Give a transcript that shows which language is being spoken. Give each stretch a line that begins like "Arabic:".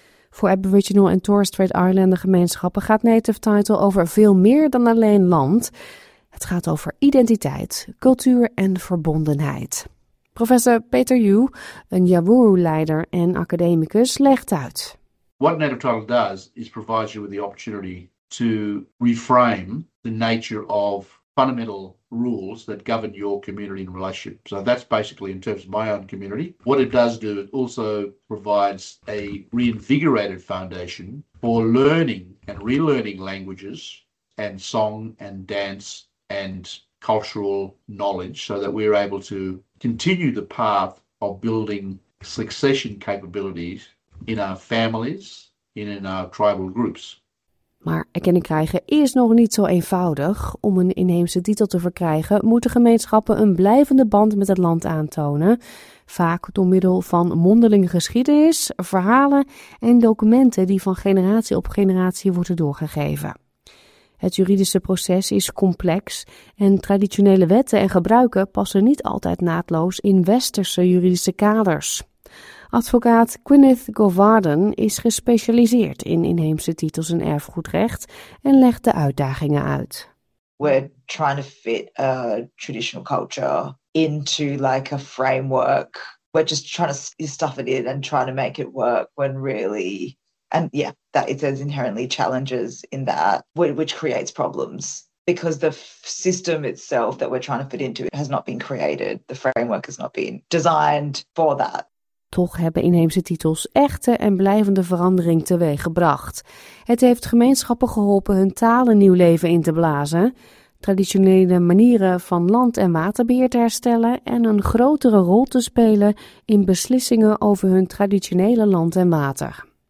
Dutch: Voor Aboriginal en Torres Strait Islander gemeenschappen gaat native title over veel meer dan alleen land. Het gaat over identiteit, cultuur en verbondenheid. Professor Peter Yu, een Yawuru-leider en academicus, legt uit.
English: What native title does is provides you with the opportunity to reframe the nature of fundamental rules that govern your community and relationship. So that's basically in terms of my own community. What it does do, it also provides a reinvigorated foundation for learning and relearning languages and song and dance and cultural knowledge so that we're able to continue the path of building succession capabilities in our families, in our tribal groups.
Dutch: Maar erkenning krijgen is nog niet zo eenvoudig. Om een inheemse titel te verkrijgen, moeten gemeenschappen een blijvende band met het land aantonen. Vaak door middel van mondelinge geschiedenis, verhalen en documenten die van generatie op generatie worden doorgegeven. Het juridische proces is complex en traditionele wetten en gebruiken passen niet altijd naadloos in westerse juridische kaders. Advocaat Gwyneth Govarden is gespecialiseerd in inheemse titels en erfgoedrecht en legt de uitdagingen uit.
English: We're trying to fit a traditional culture into like a framework. We're just trying to stuff it in and trying to make it work when really... And yeah, that it has inherently challenges in that, which creates problems because the system itself that we're trying to fit into has not been created. The framework has not been designed for that.
Dutch: Toch hebben inheemse titels echte en blijvende verandering teweeggebracht. Het heeft gemeenschappen geholpen hun talen nieuw leven in te blazen, traditionele manieren van land- en waterbeheer te herstellen en een grotere rol te spelen in beslissingen over hun traditionele land en water.